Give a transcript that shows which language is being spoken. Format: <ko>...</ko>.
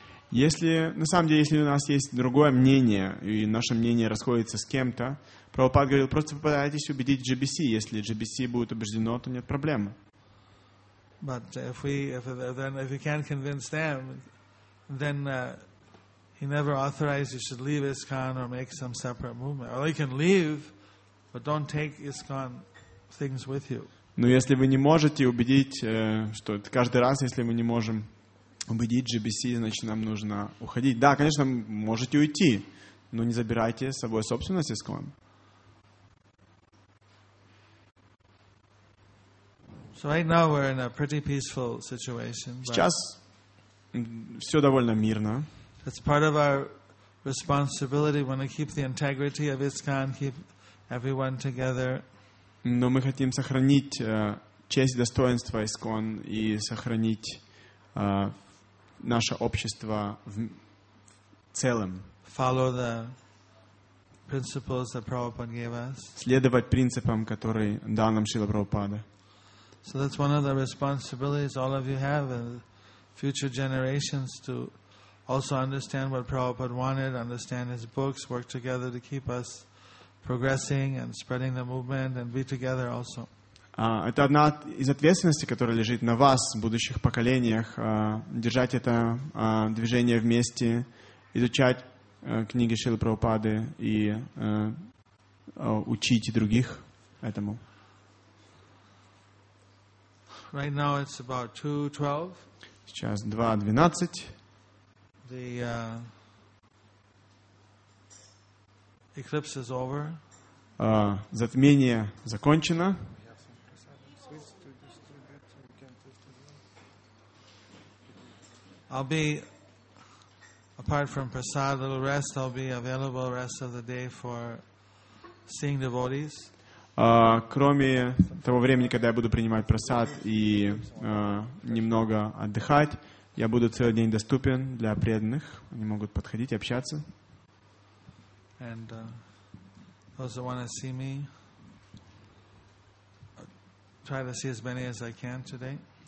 <ru>Если на самом деле, если у нас есть другое мнение и наше мнение расходится с кем-то, Прабхупада говорил, просто попытайтесь убедить GBC. Если GBC будет убеждено, то нет проблемы.</ru> <en>But if you can't convince them, then He never authorized you should leave ISKCON or make some separate movement. Or you can leave, but don't take ISKCON things with you.</en> <ru>Но если вы не можете убедить, что каждый раз, если мы не можем убедить GBC, значит, нам нужно уходить. Да, конечно, можете уйти, но не забирайте с собой собственность ISKCON.</ru> <en>So right now we're in a pretty peaceful situation.</en> <ru>Сейчас все довольно мирно.</ru> <en>That's part of our responsibility. We want to keep the integrity of ISKCON, keep everyone together.</en> <ru>Но мы хотим сохранить честь и достоинство ISKCON и сохранить наше общество в целом.</ru> <en>Follow the principles that Prabhupada gave us.</en> <ru>Следовать принципам, которые дал нам Шрила Прабхупада.</ru> <en>So that's one of the responsibilities all of you have in future generations to Also understand what Prabhupada wanted, understand his books, work together to keep us progressing and spreading the movement and be together also.</en> <ru>Это одна из ответственностей, которая лежит на вас, будущих поколениях, держать это движение вместе, изучать книги Шрилы Прабхупады и учить других этому.</ru> <en>Right now it's about 2:12.</en> <ru>Сейчас 2:12.</ru> <en>The eclipse is over.</en> <ru>Затмение закончено.</ru> <en>I'll be apart from prasad, a little rest. I'll be available the rest of the day for seeing devotees.</en> <ru>Кроме того времени, когда я буду принимать прасад и немного отдыхать. Я буду целый день доступен для преданных. Они могут подходить и общаться.</ru> <en>And those who want to see me, try to see as many as I can today.</en>